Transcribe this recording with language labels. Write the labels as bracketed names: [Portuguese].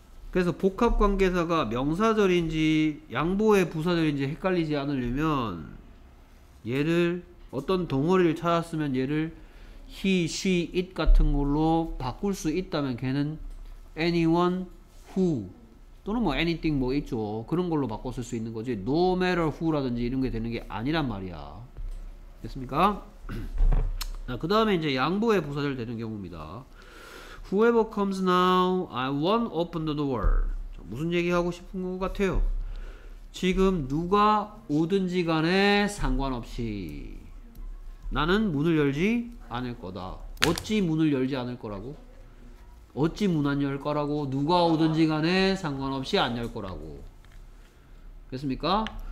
[Korean] 그래서 복합관계사가 명사절인지 양보의 부사절인지 헷갈리지 않으려면 얘를, 어떤 동어리를 찾았으면 얘를 he, she, it 같은 걸로 바꿀 수 있다면 걔는 anyone, who 또는 뭐 anything 뭐 있죠. 그런 걸로 바꿨을 수 있는 거지 [English] no matter who [Korean] 라든지 이런 게 되는 게 아니란 말이야. 됐습니까? 자, 그 다음에 이제 양보의 부사절 되는 경우입니다. [English] Whoever comes now, I won't open the door. [Korean] 자, 무슨 얘기 하고 싶은 것 같아요? 지금 누가 오든지 간에 상관없이 나는 문을 열지 않을 거다. 어찌 문을 열지 않을 거라고? 어찌 문 안 열 거라고? 누가 오든지 간에 상관없이 안 열 거라고. 됐습니까?